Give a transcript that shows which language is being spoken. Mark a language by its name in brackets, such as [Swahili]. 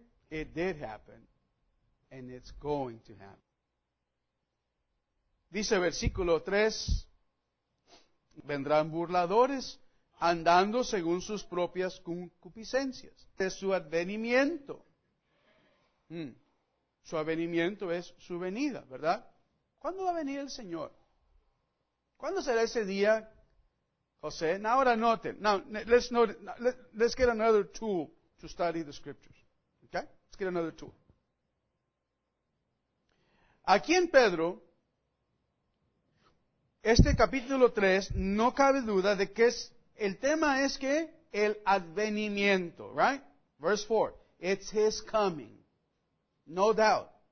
[English] It did happen and it's going to happen. [Spanish] Dice versículo 3, vendrán burladores andando según sus propias concupiscencias. De su advenimiento. Su advenimiento es su venida, ¿verdad? ¿Cuándo va a venir el Señor? ¿Cuándo será ese día, José? Ahora noten. [English] Let's get another tool to study the scriptures. Okay? Let's get another tool. [Spanish] Aquí en Pedro, este capítulo 3, no cabe duda de que es. El tema es que el advenimiento, [English] right? Verse 4, it's his coming, no doubt.